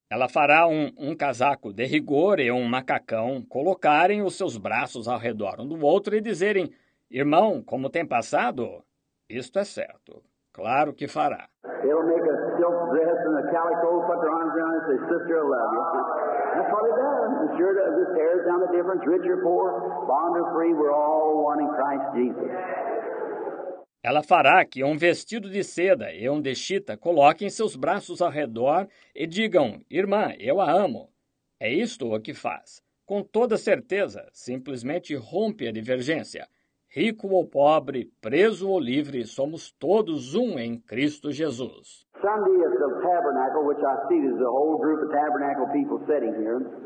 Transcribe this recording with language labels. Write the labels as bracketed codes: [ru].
[pt] Ela fará um casaco de rigor e um macacão, colocarem os seus braços ao redor um do outro e dizerem, irmão, como tem passado? Isto é certo. Claro que fará. [en] It'll make a silk dress and a calico, put their arms around and say, sister, I love you. That's what it does. It sure does. It tears down the difference, rich or poor, bond or free, we're all one in Christ Jesus. [pt] Ela fará que um vestido de seda e um de chita coloquem seus braços ao redor e digam, irmã, eu a amo. É isto o que faz. Com toda certeza, simplesmente rompe a divergência. Rico ou pobre, preso ou livre, somos todos um em Cristo Jesus. [en] Sunday at the tabernacle, which I see is a whole group of tabernacle people sitting here.